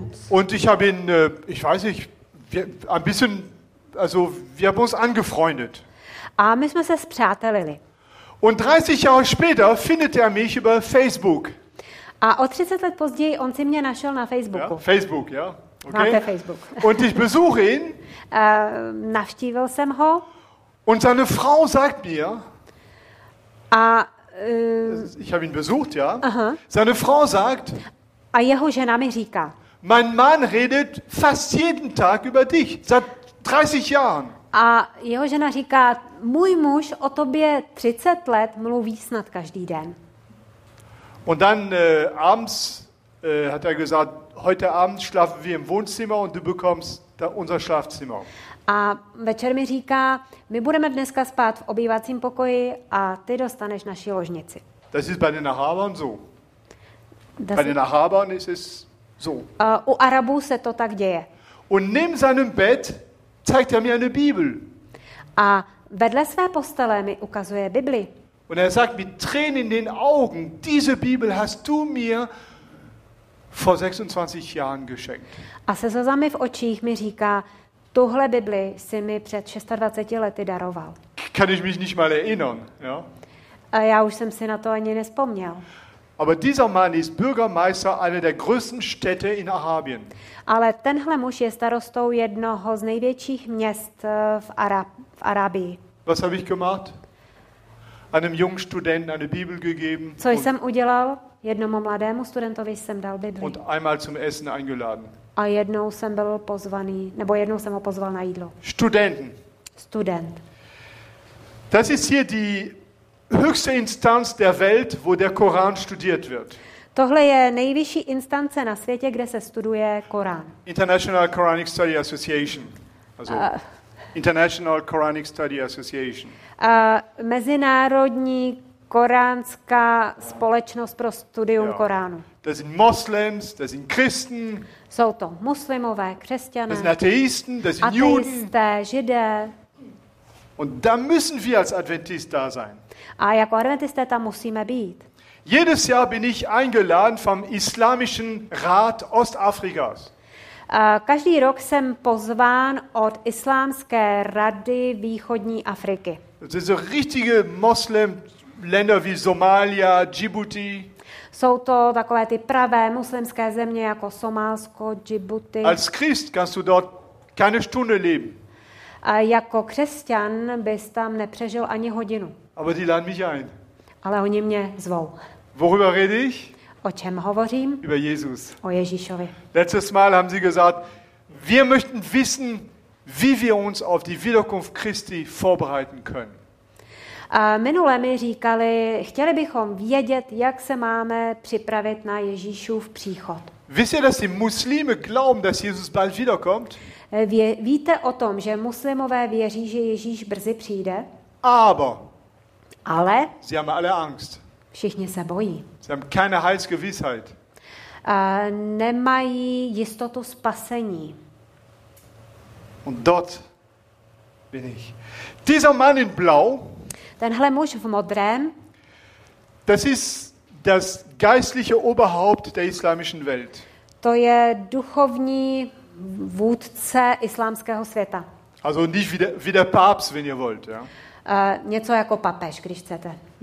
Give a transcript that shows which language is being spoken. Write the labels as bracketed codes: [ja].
[de] Und ich habe ihn, ich weiß nicht, ein bisschen, also wir haben uns angefreundet. [cs] A my jsme se spřátelili. [de] Und 30 Jahre später findet er mich über Facebook. [cs] A o 30 let později on si mě našel na Facebooku. [de] Ja, Facebook, ja. [cs] Okay. Máte Facebook. [de] Und ich besuche ihn. [cs] Navštívil jsem ho. [de] Und seine Frau sagt mir. [cs] A [de] ich habe ihn besucht, ja. Seine Frau sagt. [cs] A jeho žena mi říká. [de] Mein Mann redet fast jeden Tag über dich seit 30 Jahren. [cs] A jeho žena říká, můj muž o tobě 30 let mluví snad každý den. [de] Und dann abends hat er gesagt, heute Abend schlafen wir im Wohnzimmer und du bekommst da unser Schlafzimmer. [cs] A večer mi říká, my budeme dneska spát v obývacím pokoji a ty dostaneš naši ložnici. [de] Das ist bei den Arabern so. Bei den Arabern ist es so. [cs] U Arabů se to tak děje. [de] Und neben seinem Bett zeigt er mir eine Bibel. [cs] A vedle své postele mi ukazuje Bibli. [de] Und er sagt mit Tränen in den Augen, diese Bibel hast du mir vor 26 Jahren geschenkt. [cs] A se slzami v očích mi říká, tuhle Bibli si mi před 26 lety daroval. [de] Kann ich mich nicht mal erinnern, ja? [cs] A já už jsem si na to ani nespomněl. [de] Aber dieser Mann ist Bürgermeister einer der größten Städte in Arabien. [cs] Ale tenhle muž je starostou jednoho z největších měst v Arábii. [de] Was habe ich gemacht? Einem jungen Studenten eine Bibel gegeben. [cs] Co jsem udělal? Jednomu mladému studentovi jsem dal Bibli. [de] Und einmal zum Essen eingeladen. [cs] A jednou jsem byl pozvaný, nebo jednou jsem ho pozval na jídlo. [de] Studenten. [cs] Student. [de] Das ist hier die höchste Instanz der Welt, wo der Koran studiert wird. [cs] Tohle je nejvyšší instance na světě, kde se studuje Korán. [en] International Quranic Study Association. Also International Quranic Study Association. [cs] Mezinárodní koránská společnost pro studium Koránu. [de] Das sind Moslems, das sind Christen. [cs] Jsou to muslimové, křesťané. [de] Das sind Atheisten, das sind Juden. [cs] Židé. [de] Und da müssen wir als Adventist da sein. [cs] A jako Adventisté tam musíme být. [de] Jedes Jahr bin ich eingeladen vom Islamischen Rat Ostafrikas. [cs] Každý rok jsem pozván od Islámské rady východní Afriky. [de] Das sind so richtige Muslim Länder wie Somalia, Djibouti. [cs] Jsou to takové ty pravé muslimské země jako Somálsko, Djibouti. [de] Als Christ kannst du dort keine Stunde leben. [cs] A jako křesťan bys tam nepřežil ani hodinu. [de] Aber die laden mich ein. [cs] Ale oni mě zvou. [de] Worüber rede ich? [cs] O čem hovořím? [de] Über Jesus. [cs] O Ježíšovi. [de] Letztes Mal haben sie gesagt, wir möchten wissen, wie wir uns auf die Wiederkunft Christi vorbereiten können. [cs] A minule mi říkali, chtěli bychom vědět, jak se máme připravit na Ježíšův příchod. [de] Wisst ihr, dass die Muslime glauben, dass Jesus bald wiederkommt? [cs] Víte o tom, že muslimové věří, že Ježíš brzy přijde? [de] Aber. [cs] Ale. [de] Sie haben alle Angst. [cs] Všichni se bojí. [de] Sie haben keine Heilsgewissheit. [cs] Nemají jistotu spasení. [de] Und dort bin ich. Dieser Mann in blau. [cs] Tenhle muž v modrém. [de] Das ist das geistliche Oberhaupt der islamischen Welt. [cs] To je duchovní vůdce islámského světa. [de] Also nicht wie der Papst, wenn ihr wollt, ja. [cs] Něco jako papež, když chcete.